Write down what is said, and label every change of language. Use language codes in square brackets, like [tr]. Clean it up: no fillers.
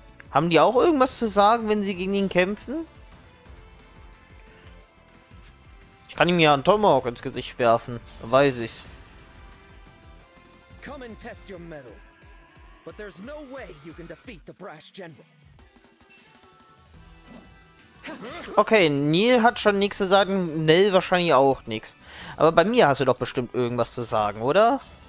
[de] Haben die auch irgendwas zu sagen, wenn sie gegen ihn kämpfen? Ich kann ihm ja einen Tomahawk ins Gesicht werfen, weiß ich's. [en] Come and test your metal. But there's no way you can defeat the brash general. [de] Okay, Neil hat schon nichts zu sagen, Nell wahrscheinlich auch nichts. Aber bei mir hast du doch bestimmt irgendwas zu sagen, oder?